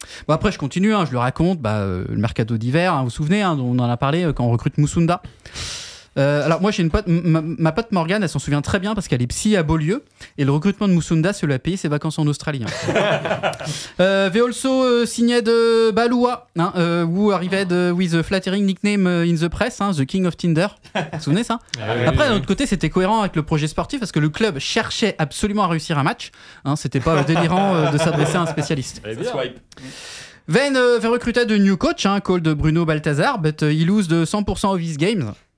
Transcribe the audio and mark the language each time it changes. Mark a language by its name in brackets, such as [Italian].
[French] Bon, après, je continue, hein, je le raconte, le mercato d'hiver, hein, vous vous souvenez, hein, on en a parlé quand on recrute Moussunda. Alors moi j'ai une pote, ma pote Morgane, elle s'en souvient très bien parce qu'elle est psy à Beaulieu et le recrutement de Moussunda se lui a payé ses vacances en Australie. [English] they also signed Balua, hein, who arrived with a flattering nickname in the press, hein, the King of Tinder. [French] Vous vous souvenez ça? Après, d'un autre côté, c'était cohérent avec le projet sportif parce que le club cherchait absolument à réussir un match. Hein, c'était pas délirant de s'adresser à un spécialiste. [English] Then they recruited a new coach, hein, called Bruno Balthazar, but he lose de 100% of his games.